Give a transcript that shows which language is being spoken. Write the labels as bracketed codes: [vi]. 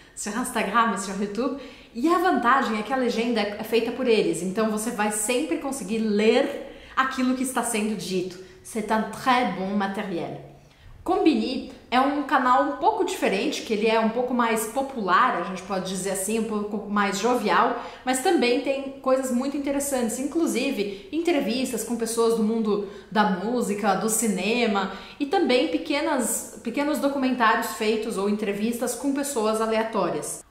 [pt] Sur Instagram e sur YouTube. E a vantagem é que a legenda é feita por eles. Então você vai sempre conseguir ler aquilo que está sendo dito. [fr] C'est un très bon matériel. [pt] Combini é um canal um pouco diferente, que ele é um pouco mais popular, a gente pode dizer assim, um pouco mais jovial, mas também tem coisas muito interessantes, inclusive entrevistas com pessoas do mundo da música, do cinema, e também pequenos documentários feitos ou entrevistas com pessoas aleatórias.